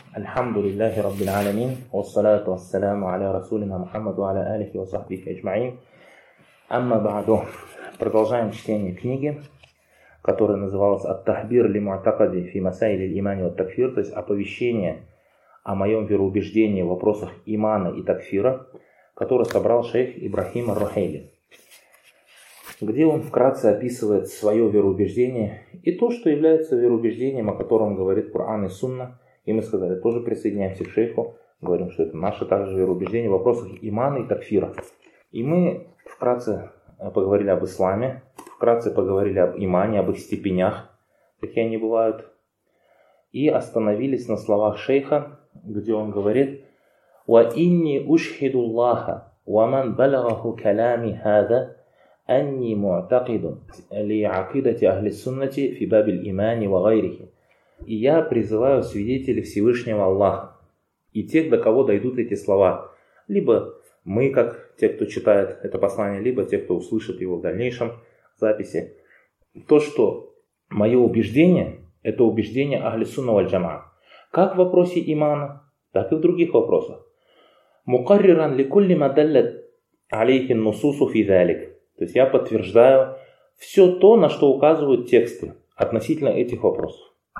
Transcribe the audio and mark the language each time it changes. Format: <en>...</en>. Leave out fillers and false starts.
<ar>الحمد لله رب العالمين، والصلاة والسلام على رسولنا محمد وعلى آله وصحبه أجمعين. أما بعد،</ar> <ru>продолжаем чтение книги, которая называлась «Ат-тахбир ли муътакади фи масаили аль-имани ват-такфир», то есть оповещение о моем вероубеждении в вопросах имана и такфира, который собрал шейх Ибрахим ар-Рухейли, где он вкратце описывает свое вероубеждение и то, что является вероубеждением, о котором говорит Коран и Сунна. И мы сказали, тоже присоединяемся к шейху, говорим, что это наше также вероубеждение в вопросах имана и такфира. И мы вкратце поговорили об исламе, вкратце поговорили об имане, об их степенях, какие они бывают. И остановились на словах шейха, где он говорит:</ru> <ar>«Ва инни ушхиду Аллаха, ва ман балагаху калами хаза». أني معتقد لعقيدة أهل السنة في باب الإيمان وغيره.</ar> <ru>И я призываю свидетелей Всевышнего Аллаха и тех, до кого дойдут эти слова, либо мы, как те, кто читает это послание, либо те, кто услышит его в дальнейшем записи, то, что мое убеждение – это убеждение Ахли Сунна валь Джамаа, как в вопросе имана, так и в других вопросах.</ru> <ar>مقرراً لكل ما دلت عليه النصوص في ذلك.</ar> <ru>То есть я подтверждаю все то, на что указывают тексты относительно этих вопросов.</ru>